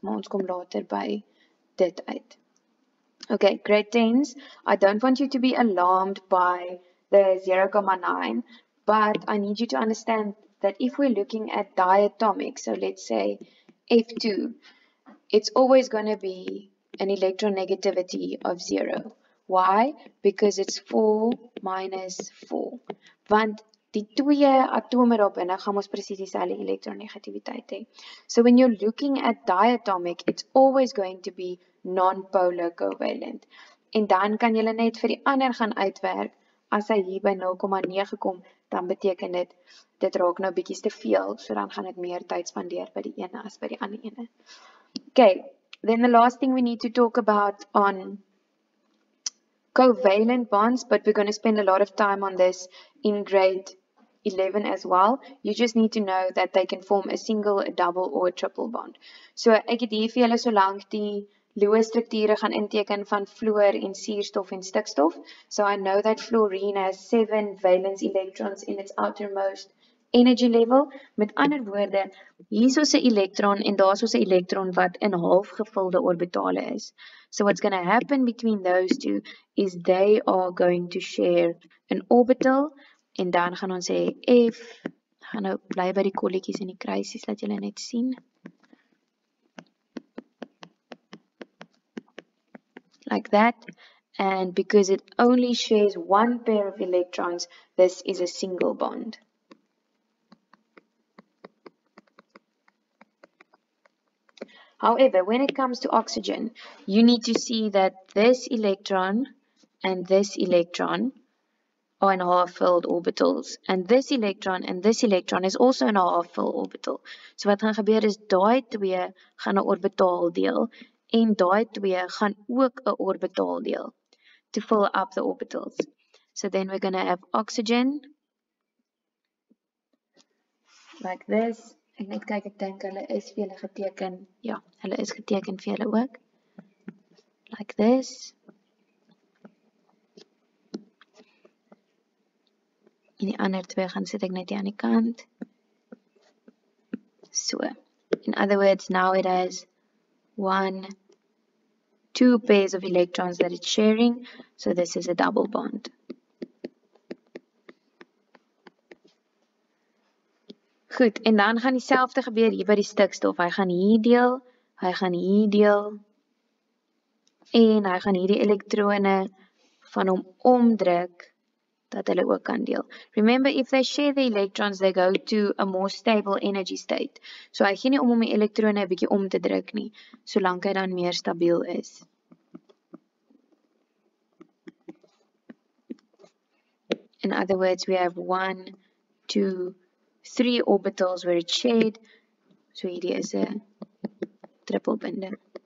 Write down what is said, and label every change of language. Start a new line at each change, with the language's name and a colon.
Afrikaans: Maar ons kom later by dit uit.
English: Okay, grade 10s, I don't want you to be alarmed by the 0,9, but I need you to understand that if we're looking at diatomic, so let's say F2, it's always going to be an electronegativity of 0. Why? Because it's 4 minus 4.
Afrikaans: Want die twee atome daarbinne gaan ons presies dieselfde elektronegativiteit hê.
English: So when you're looking at diatomic, it's always going to be non-polar covalent.
Afrikaans: En dan kan jy net vir die ander gaan uitwerk, as hy hier by 0,9 kom, dan beteken dit, dit raak nou bietjie te veel, so dan gaan dit meer tyd spandeer by die ene as by die ander ene.
English: Okay, then the last thing we need to talk about on covalent bonds, but we're going to spend a lot of time on this in grade 11 as well. You just need to know that they can form a single, a double or a triple bond.
Afrikaans: So ek het hier vir julle so lank die Lewis-strukture gaan inteken van fluor en suurstof en stikstof.
English: So I know that fluorine has 7 valence electrons in its outermost energy level.
Afrikaans: Met ander woorde, hier is een elektron en daar is een elektron wat in half gevulde orbitale is.
English: So what's going to happen between those two is they are going to share an orbital.
Afrikaans: En dan gaan ons sê F, gaan nou bly by die kolletjies en die kruisies, laat julle net sien.
English: Like that. And because it only shares one pair of electrons, this is a single bond. However, when it comes to oxygen, you need to see that this electron and this electron are in half-filled orbitals. And this electron and this electron is also in a half-filled orbital.
Afrikaans: So wat gaan gebeur is, die twee gaan 'n orbitaal deel, en die twee gaan ook 'n orbitaal deel,
English: to fill up the orbitals. So then we're going to have oxygen, like this.
Afrikaans: Ek net kyk, ek dink hulle is vir julle geteken. Ja, hulle is geteken vir julle ook.
English: Like this.
Afrikaans: En die ander twee gaan sit ek net hier aan die kant. So.
English: In other words, now it has two pairs of electrons that it's sharing. So this is a double bond.
Afrikaans: Goed, en dan gaan dieselfde gebeur hier by die stikstof. Hy gaan hier deel, hy gaan hier deel, en hy gaan hier die elektrone van hom omdruk, dat hulle ook kan deel.
English: Remember, if they share the electrons, they go to a more stable energy state.
Afrikaans: So hy gee nie om die elektrone 'n bietjie om te druk nie, solank hy dan meer stabiel is.
English: In other words, we have 1, 2, 3 orbitals where it's shared.
Afrikaans: So hierdie is 'n triple bonding.